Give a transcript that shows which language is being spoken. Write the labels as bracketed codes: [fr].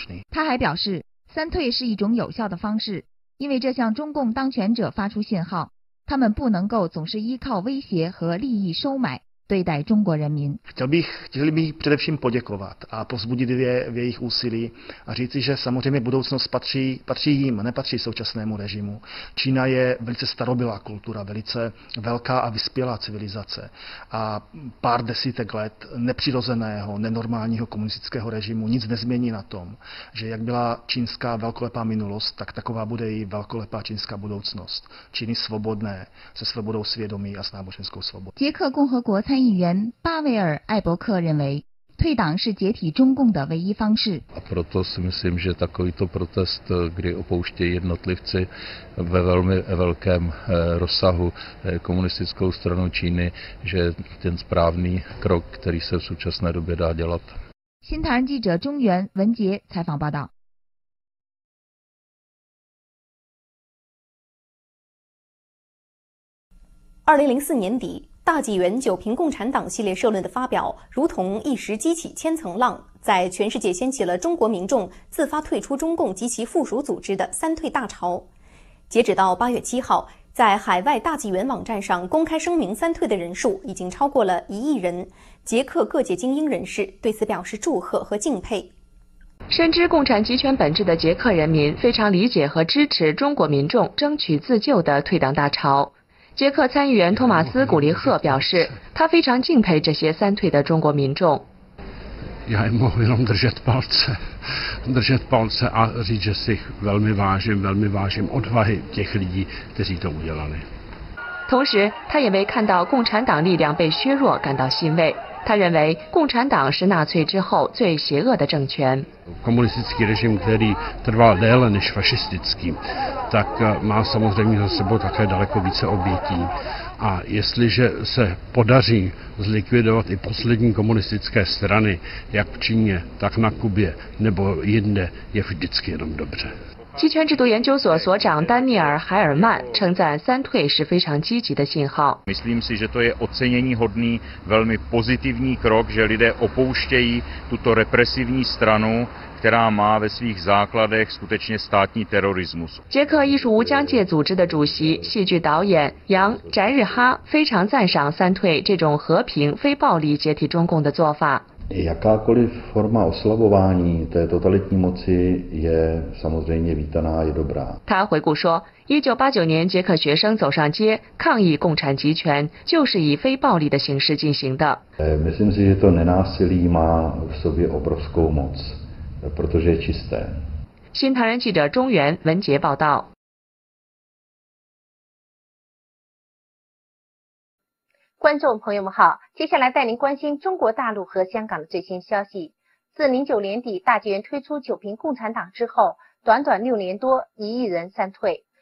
[zh] 他还表示，三退是一种有效的方式，因为这向中共当权者发出信号，他们不能够总是依靠威胁和利益收买对待中国人民。 [cs] Chtěl bych především poděkovat a povzbudit je v jejich úsilí a říci, že samozřejmě budoucnost patří jim, nepatří současnému režimu. Čína je velice starobylá kultura, velice velká a vyspělá civilizace a pár desítek let nepřirozeného, nenormálního komunistického režimu nic nezmění na tom, že jak byla čínská velkolepá minulost, tak taková bude i velkolepá čínská budoucnost. Číny svobodné, se svobodou svědomí a s náboženskou svobodou. [zh] 国参议员巴维尔·艾伯克认为，退党是解体中共的唯一方式。 [cs] A proto si myslím, že takovýto protest, kdy opouštějí jednotlivci ve velmi velkém rozsahu komunistickou stranu Číny, že ten správný krok, který se v současné době dá dělat. [zh] 新唐人记者中原文杰采访报道。 2004年底。大纪元《九评共产党》系列社论的发表如同一时激起千层浪，在全世界掀起了中国民众自发退出中共及其附属组织的三退大潮。截止到8月7号，在海外大纪元网站上公开声明三退的人数已经超过了1亿人，捷克各界精英人士对此表示祝贺和敬佩。深知共产集权本质的捷克人民非常理解和支持中国民众争取自救的退党大潮。捷克参议员托马斯·古利赫表示，他非常敬佩这些三退的中国民众。 [cs] Já jim mohu jenom držet palce a říct, že si velmi vážím odvahy těch lidí, kteří to udělali. [zh] 同时，他也为看到共产党力量被削弱感到欣慰。他认为，共产党是纳粹之后最邪恶的政权。 [cs] Komunistický režim, který trval déle než fašistický, tak má samozřejmě za sebou také daleko více obětí. A jestliže se podaří zlikvidovat i poslední komunistické strany, jak v Číně, tak na Kubě nebo jinde, je vždycky jenom dobře. [zh] 集权制度研究所所长丹尼尔·海尔曼称赞三退是非常积极的信号。 [cs] Myslím si, že to je ocenění hodný, velmi pozitivní krok, že lidé opouštějí tuto represivní stranu, která má ve svých základech skutečně státní terorismus. [zh] 捷克艺术无疆界组织的主席、戏剧导演杨·翟日哈非常赞赏三退这种和平、非暴力解体中共的做法。 [cs] Jakákoliv forma oslabování té totalitní moci je samozřejmě vítaná, je dobrá. [zh] 他回顾说 ,1989 年捷克学生走上街抗议共产集权就是以非暴力的形式进行的。 [cs] Myslím si, že to nenásilí má v sobě obrovskou moc, protože je čisté. [zh] 新唐人记者中原文杰报道。观众朋友们好，接下来带您关心中国大陆和香港的最新消息。自09年底大纪元推出九评共产党之后，短短六年多，一亿人三退。